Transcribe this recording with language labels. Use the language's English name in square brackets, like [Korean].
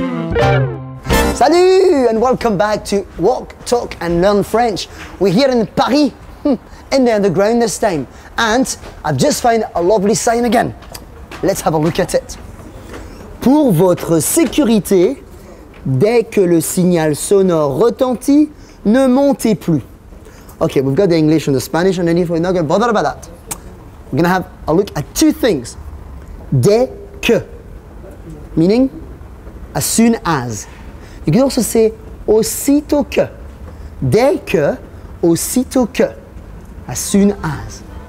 [English] welcome back to Walk, Talk and Learn French. We're here in Paris, in the underground this time. And I've just found a lovely sign again. Let's have a look at it. [French] Pour votre sécurité, dès que le signal sonore retentit, ne montez plus. [English] Okay, we've got the English and the Spanish underneath, we're not gonna bother about that. We're gonna have a look at two things. Dès que, meaning as soon as. You can also say aussitôt que. Dès que, aussitôt que, as soon as.